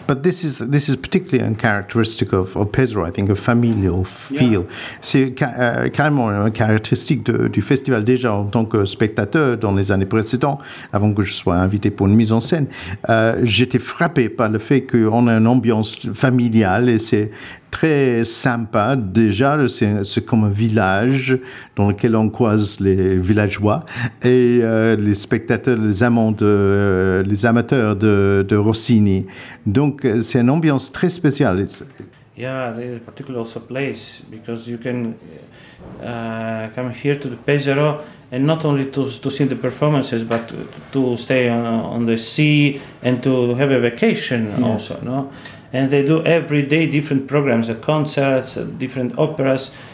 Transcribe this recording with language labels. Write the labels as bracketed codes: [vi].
[en] But this is particularly uncharacteristic of Pesaro, I think, a familial feel. [fr] C'est carrément une caractéristique du festival déjà en tant que spectateur dans les années précédentes, avant que je sois invité pour une mise en scène. J'étais frappé par le fait qu'on a une ambiance familiale et c'est très sympa. Déjà, c'est comme un village dans lequel on croise les villageois et les spectateurs, les amateurs de Rossini. Donc, c'est une ambiance très spéciale. [en] There's a particular also place because you can come here to the Pesaro and not only to see the performances, but to stay on the sea and to have a vacation also, no? And they do every day different programs, concerts, different operas.